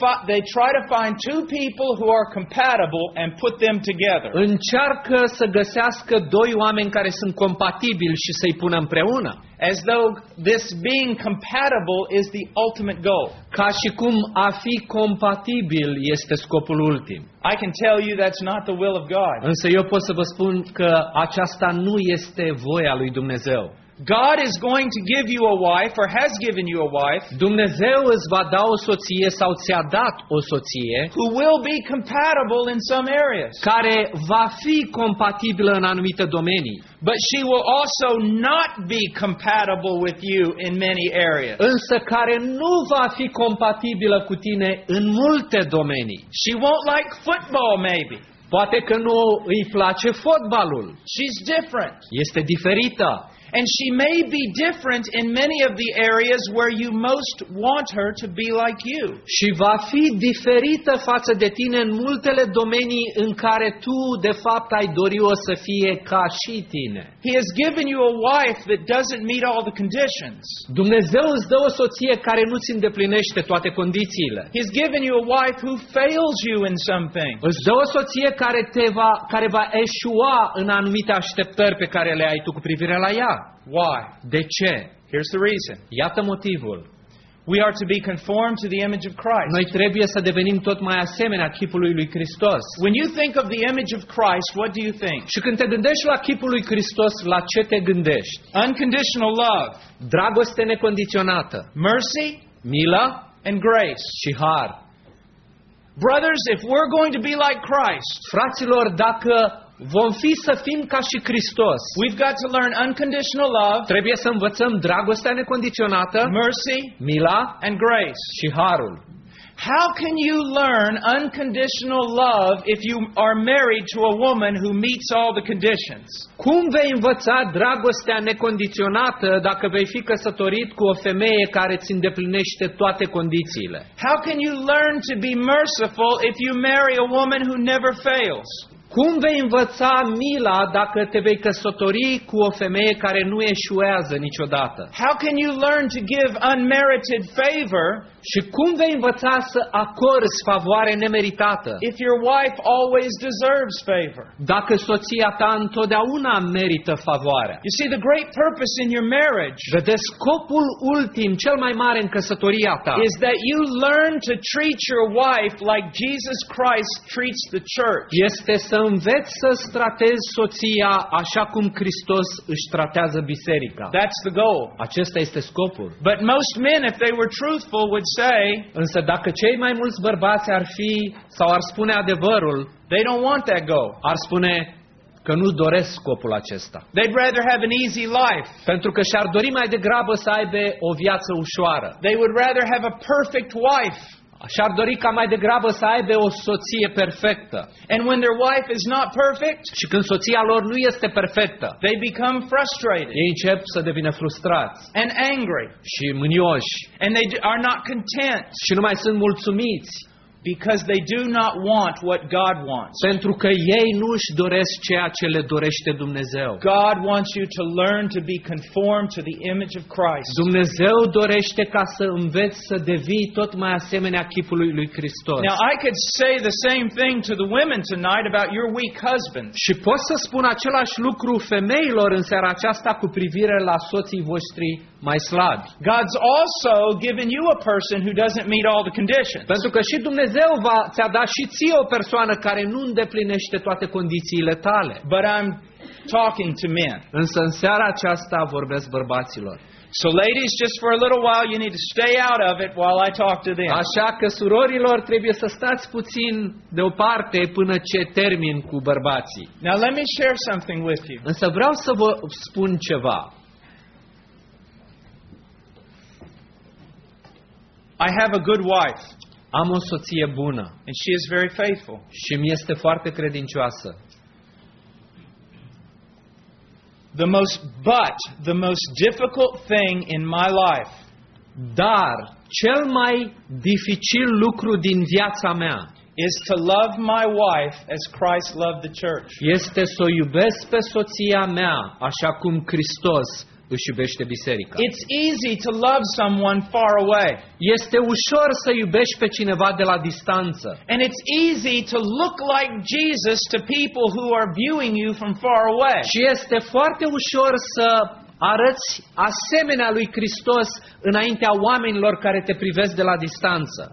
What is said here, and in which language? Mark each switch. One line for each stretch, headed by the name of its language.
English: They try to find two people who are compatible and put them together.
Romanian: Încearcă să găsească doi oameni care sunt compatibili și să-i pună împreună.
English: As though this being compatible is the ultimate goal.
Romanian: Ca și cum a fi compatibil este scopul ultim.
English: I can tell you that's not the will of God.
Romanian: Însă eu pot să vă spun că aceasta nu este voia lui Dumnezeu.
English: God is going to give you a wife or has given you a wife.
Romanian: Dumnezeu îți va da o soție sau ți-a dat o soție.
English: Who will be compatible in some areas.
Romanian: Care va fi compatibilă în anumite domenii.
English: But she will also not be compatible with you in many areas.
Romanian: Însă care nu va fi compatibilă cu tine în multe domenii.
English: She won't like football maybe.
Romanian: Poate că nu îi place fotbalul.
English: She's different.
Romanian: Este diferită.
English: And she may be different in many of the areas where you most want her to be like you.
Romanian: Și va fi diferită față de tine în multele domenii în care tu de fapt ai dori-o să fie ca și tine.
English: He has given you a wife that doesn't meet all the conditions.
Romanian: Dumnezeu îți dă o soție care nu ți îndeplinește toate condițiile.
English: He has given you a wife who fails you in some things.
Romanian: Îți dă o soție care va eșua în anumite așteptări pe care le ai tu cu privire la ea.
English: Why?
Romanian: De ce?
English: Here's the reason.
Romanian: Iată motivul.
English: We are to be conformed to the image of Christ.
Romanian: Noi trebuie să devenim tot mai asemenea chipului lui Hristos.
English: When you think of the image of Christ, what do you think?
Romanian: Și când te gândești la chipul lui Hristos, la ce te gândești?
English: Unconditional love.
Romanian: Dragoste necondiționată.
English: Mercy.
Romanian: Milă.
English: And grace.
Romanian: Și har.
English: Brothers, if we're going to be like Christ,
Romanian: fraților, dacă vom fi să fim ca și Hristos,
English: we've got to learn unconditional love,
Romanian: trebuie să învățăm dragostea necondiționată,
English: mercy,
Romanian: mila,
English: and grace,
Romanian: și harul.
English: How can you learn unconditional love if you are married to a woman who meets all the conditions?
Romanian: Cum vei învăța dragostea necondiționată dacă vei fi căsătorit cu o femeie care îți îndeplinește toate condițiile?
English: How can you learn to be merciful if you marry a woman who never fails?
Romanian: Cum vei învăța mila dacă te vei căsători cu o femeie care nu eșuează niciodată?
English: How can you learn to give unmerited favor?
Romanian: Și cum vei învăța să acorzi favoare nemeritată?
English: If your wife always deserves favor.
Romanian: Dacă soția ta întotdeauna merită favoarea.
English: You see the great purpose in your marriage.
Romanian: Vedeți scopul ultim, cel mai mare în căsătoria ta.
English: Is that you learn to treat your wife like Jesus Christ treats the church.
Romanian: Este să înveți să tratezi soția așa cum Hristos își tratează biserica.
English: That's the goal.
Romanian: Acesta este scopul.
English: But most men, if they were truthful, would say,
Romanian: însă dacă cei mai mulți bărbați ar fi sau ar spune adevărul,
English: they don't want that goal.
Romanian: Ar spune că nu doresc scopul acesta.
English: They'd rather have an easy life.
Romanian: Pentru că și-ar dori mai degrabă să aibă o viață ușoară.
English: They would rather have a perfect wife.
Romanian: Și-ar dori ca mai degrabă să aibă o soție perfectă.
English: And when their wife is not perfect,
Romanian: și când soția lor nu este perfectă,
English: they become frustrated.
Romanian: Ei încep să devină frustrați.
English: And angry.
Romanian: Și mânioși.
English: And they are not content.
Romanian: Și nu mai sunt mulțumiți.
English: Because they do not want what God wants.
Romanian: Pentru că ei nu își doresc ceea ce le dorește Dumnezeu.
English: God wants you to learn to be conformed to the image of Christ.
Romanian: Dumnezeu dorește ca să înveți să devii tot mai asemenea chipului lui Hristos.
English: Now I could say the same thing to the women tonight about your weak husband.
Romanian: Și pot să spun același lucru femeilor în seara aceasta cu privire la soții voștri.
English: God's also given you a person who doesn't meet all the conditions.
Romanian: Pentru că și Dumnezeu ți-a dat și ție o persoană care nu îndeplinește toate condițiile tale.
English: But I'm talking to men.
Romanian: Însă în seara aceasta vorbesc bărbaților.
English: So ladies, just for a little while you need to stay out of it while I talk to them.
Romanian: Așa că surorilor trebuie să stați puțin deoparte până ce termin cu bărbații.
English: Now let me share something with you.
Romanian: Însă vreau să vă spun ceva.
English: I have a good wife.
Romanian: Am o soție bună.
English: And she is very faithful.
Romanian: Și mi este foarte credincioasă.
English: The most difficult thing in my life.
Romanian: Dar cel mai dificil lucru din viața mea
English: is to love my wife as Christ loved the church.
Romanian: Este să iubesc pe soția mea așa cum Hristos își iubește biserica.
English: It's easy to love someone far away.
Romanian: Este ușor să iubești pe cineva de la distanță.
English: And it's easy to look like Jesus to people who are viewing you from far away.
Romanian: Și este foarte ușor să arăți asemenea lui Hristos înaintea oamenilor care te privesc de la distanță.